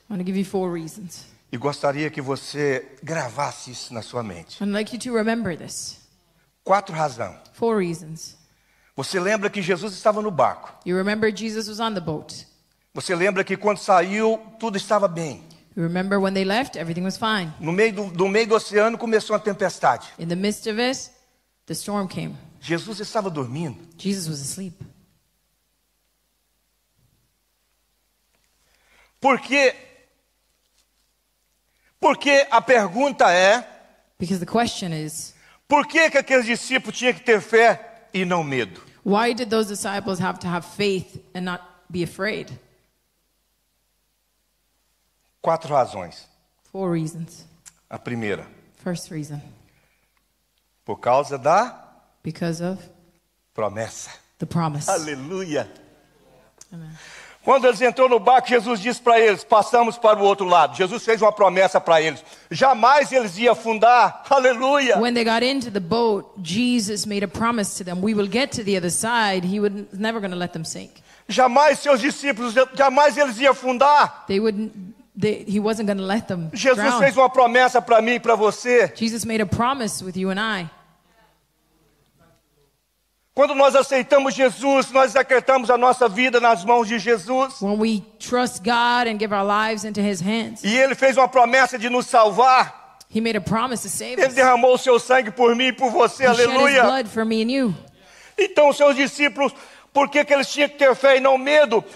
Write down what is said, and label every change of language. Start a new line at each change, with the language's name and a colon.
English: I want to give you four reasons.
Portuguese: E gostaria que você gravasse isso na sua mente.
English: I'd like you to remember this.
Portuguese: Quatro razões.
English: Four reasons.
Portuguese: Você lembra que Jesus estava no barco.
English: You remember Jesus was on the boat.
Portuguese: Você lembra que quando saiu, tudo estava bem.
English: You remember when they left, everything was fine.
Portuguese: No meio do oceano começou uma tempestade.
English: In the midst of it, the storm came.
Portuguese: Jesus estava dormindo.
English: Jesus was asleep.
Portuguese: Porque a pergunta é,
English: Because the question is,
Portuguese: por que que aqueles discípulos tinham que ter fé e não medo?
English: Why did those disciples have to have faith and not be afraid?
Portuguese: Quatro razões.
English: Four reasons.
Portuguese: A primeira.
English: First reason.
Portuguese: Por causa da?
English: Because of?
Portuguese: Promessa.
English: The promise.
Portuguese: Aleluia.
English: Amen.
Portuguese: Quando eles entraram no barco, Jesus disse para eles: passamos para o outro lado. Jesus fez uma promessa para eles: jamais eles iam afundar. Aleluia.
English: When they got into the boat, Jesus made a promise to them: we will get to the other side. He would never going to let them sink.
Portuguese: Jamais seus discípulos, jamais eles iam afundar.
English: He wasn't going to let them drown.
Portuguese: Jesus fez uma promessa para mim e para você.
English: Jesus made a promise with you and I.
Portuguese: Quando nós aceitamos Jesus, nós acreditamos a nossa vida nas mãos de Jesus.
English: When we trust God and give our lives into His hands.
Portuguese: E Ele fez uma promessa de nos salvar.
English: He made a promise to save us.
Portuguese: Ele derramou o Seu sangue por mim e por você.
English: He
Portuguese: Aleluia.
English: Shed His blood for me and you.
Portuguese: Então, seus discípulos, por que que eles tinham que ter fé e não medo?